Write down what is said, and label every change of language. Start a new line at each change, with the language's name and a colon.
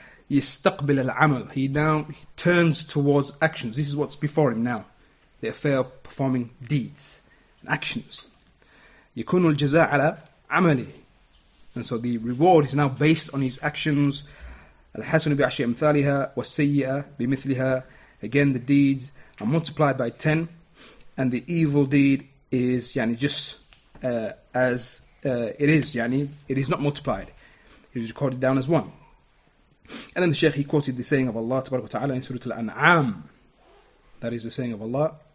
Arabic: يستقبل العمل.
English: He now turns towards actions. This is what's before him now. The affair of performing deeds and actions.
Arabic: يكون الجزاء على عمله.
English: And so the reward is now based on his actions.
Arabic: الحسن بعشر أمثالها والسيئة بمثلها.
English: Again, the deeds are multiplied by 10. And the evil deed is يعني just as it is. يعني it is not multiplied. It is recorded down as one. And then the Shaykh, he quoted the saying of Allah تبارك وتعالى in Surah Al-An'am. That is the saying of Allah.